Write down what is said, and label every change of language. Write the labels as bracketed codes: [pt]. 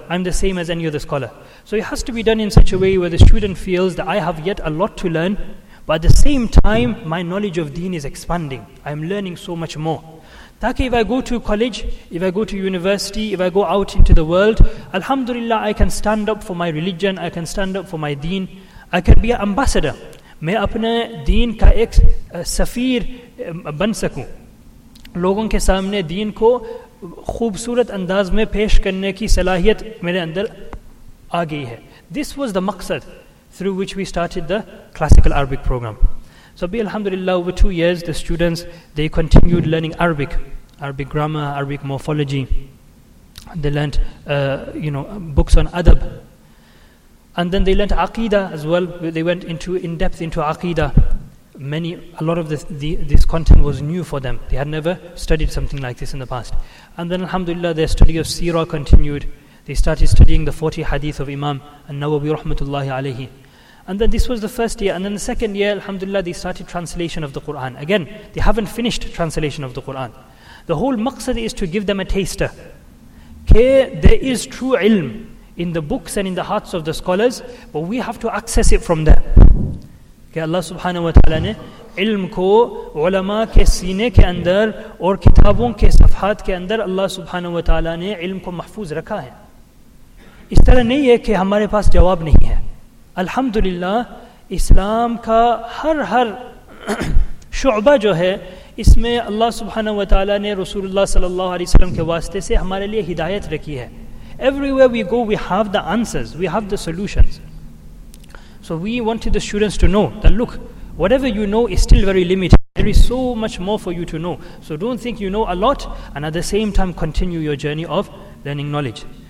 [en] I'm the same as any other scholar. So it has to be done in such a way where the student feels that I have yet a lot to learn, but at the same time, my knowledge of deen is expanding. I'm learning so much more. Taki, if I go to college, if I go to university, if I go out into the world, alhamdulillah, I can stand up for my religion, I can stand up for my deen, I can be an ambassador. [ur] Main apne deen ka ek safir ban sakun. لوگوں کے سامنے دین کو خوبصورت انداز میں پیش کرنے کی صلاحیت میرے اندر آ گئی ہے. [en] This was the maqsad through which we started the classical Arabic program. So be alhamdulillah, over 2 years the students, they continued learning Arabic, Arabic grammar, Arabic morphology. They learned books on adab, and then they learned aqidah as well. They went into in depth into aqidah. A lot of this content was new for them. They had never studied something like this in the past. And then alhamdulillah, their study of seerah continued. They started studying the 40 hadith of Imam An-Nawawi rahmatullahi alayhi. And then this was the first year. And then the second year, alhamdulillah, they started translation of the Quran. Again, they haven't finished translation of the Quran. The whole maqsad is to give them a taster. There is true ilm in the books and in the hearts of the scholars, but we have to access it from them. [ur] کہ اللہ سبحانہ وتعالی نے علم کو علماء کے سینے کے اندر اور کتابوں کے صفحات کے اندر اللہ سبحانہ وتعالی نے علم کو محفوظ رکھا ہے. اس طرح نہیں ہے کہ ہمارے پاس جواب نہیں ہے. الحمدللہ اسلام کا ہر شعبہ جو ہے اس میں اللہ سبحانہ وتعالی نے رسول اللہ صلی اللہ علیہ وسلم کے واسطے سے ہمارے لیے ہدایت رکھی ہے. [en] Everywhere we go we have the answers, we have the solutions. So we wanted the students to know that, look, whatever you know is still very limited. There is so much more for you to know. So don't think you know a lot, and at the same time continue your journey of learning knowledge.